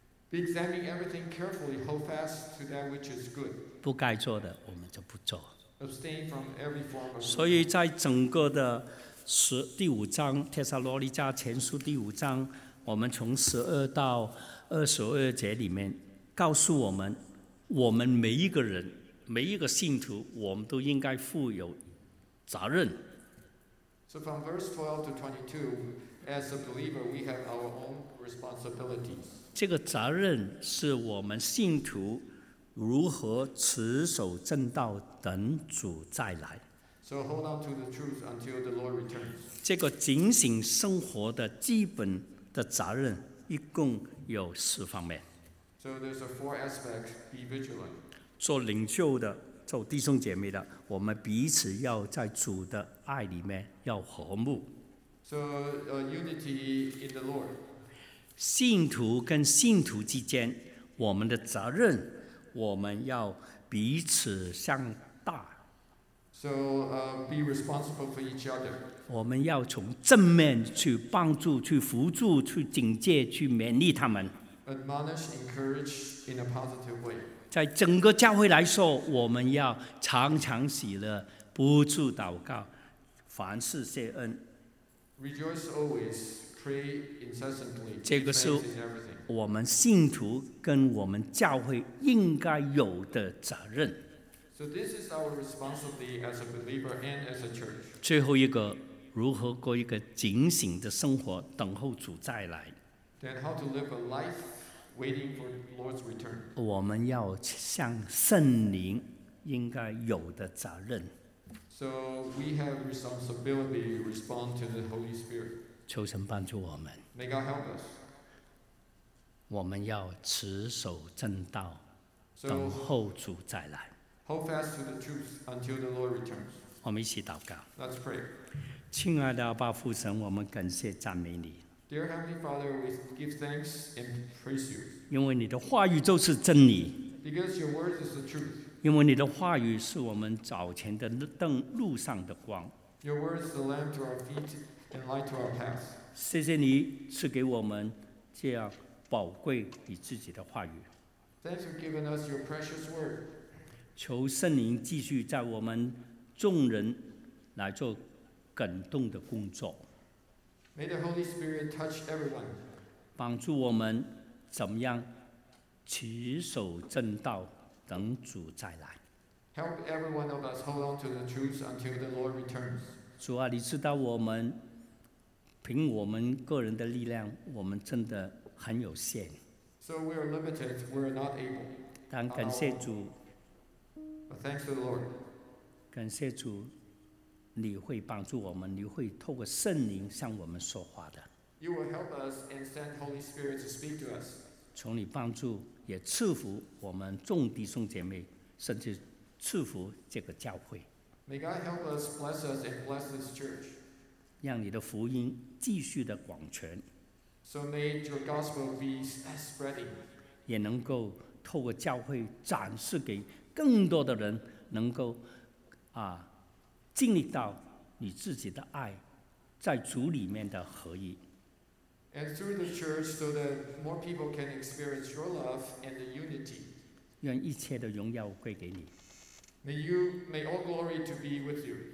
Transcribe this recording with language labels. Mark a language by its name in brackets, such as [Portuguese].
[English] Be examining everything carefully, hold fast to that which is good. [Chinese] 不该做的我们就不做。 [English] Abstain from every form of. [Chinese] 所以在整个的第五章，帖撒罗尼迦前书第五章，我们从十二到二十二节里面告诉我们，我们每一个人，每一个信徒，我们都应该负有责任。 [English] So from verse 12 to 22, as a believer, we have our own responsibilities. [Chinese] 这个责任是我们信徒如何持守正道等主再来。 [English] So hold on to the truth until the Lord returns. [Chinese] 这个警醒生活的基本的责任一共有四方面。 [English] So there's a four aspects, be vigilant. [Chinese] 做领袖的，做弟兄姐妹的，我们彼此要在主的爱里面要和睦。 [English] So unity in the Lord. [Chinese] 信徒跟信徒之间，我们的责任，我们要彼此相大。 [English] So, be responsible for each other. [Chinese] 我们要从正面去帮助、去扶助、去警戒、去勉励他们。 [English] Admonish, encourage in a positive way. [Chinese] 在整个教会来说，我们要常常喜乐，不住祷告，凡事谢恩。 [English] Rejoice always. Pray incessantly. [Chinese] 这个是我们信徒跟我们教会应该有的责任。 [English] So this is our responsibility as a believer and as a church. [Chinese] 最后一个，如何过一个警醒的生活，等候主再来。 [English] Then how to live a life waiting for the Lord's return. [Chinese] 我们要向圣灵应该有的责任。 [English] So we have responsibility to respond to the Holy Spirit. [Chinese] 求神帮助我们。 [English] May God help us. [Chinese] 我们要持守正道，等候主再来。 [English] So, hold fast to the truth until the Lord returns. [Chinese] 我们一起祷告。 [English] Let's pray. [Chinese] 亲爱的阿爸父神，我们感谢赞美你。 [English] Dear Heavenly Father, we give thanks and praise you. [Chinese] 因为你的话语就是真理。 [English] Because your word is the truth. [Chinese] 因为你的话语是我们早前的灯，路上的光。 [English] Your word is the lamp to our feet. And light to our paths. [Chinese] 谢谢你赐给我们这样宝贵你自己的话语。 [English] Thanks for giving us your precious word. [Chinese] 求圣灵继续在我们众人来做感动的工作。 [English] May the Holy Spirit touch everyone. [Chinese] 帮助我们怎么样持守正道，等主再来。 [English] Help every one of us hold on to the truth until the Lord returns. [Chinese] 主啊，你知道我们。凭我们个人的力量，我们真的很有限。 [English] So we are limited, we are not able. [Chinese] 但感谢主。 [English] Thanks to the Lord. [Chinese] 感谢主，你会帮助我们，你会透过圣灵向我们说话的。 [English] You will help us and send Holy Spirit to speak to us. [Chinese] 从你帮助，也赐福我们众弟兄姐妹，甚至赐福这个教会。 [English] May God help us, bless us, and bless this church. [Chinese] 让你的福音继续的广传， [English] so may your gospel be spreading. [Chinese] 也能够透过教会展示给更多的人，能够经历到你自己的爱在主里面的合一。 [English] And through the church, so that more people can experience your love and the unity. [Chinese] 愿一切的荣耀归给你。 [English] May all glory to be with you.